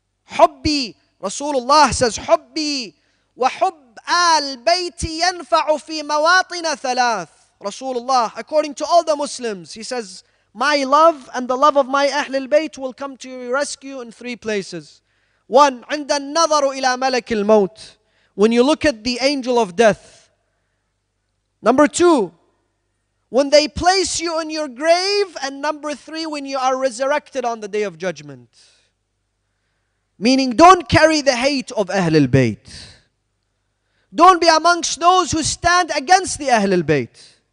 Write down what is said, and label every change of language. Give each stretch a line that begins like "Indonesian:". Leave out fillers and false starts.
English: Hubbi, Rasulullah says, Hubbi wa hub al bayti yanfa'u fi mawatina thalath. Rasulullah, according to all the Muslims, he says, my love and the love of my Ahlul Bayt will come to your rescue in three places. One,
Arabic: عند النظر إلى ملك الموت.
English: When you look at the angel of death. Number two, when they place you in your grave. And number three, when you are resurrected on the Day of Judgment. Meaning, don't carry the hate of Ahlul Bayt. Don't be amongst those who stand against the Ahlul Bayt.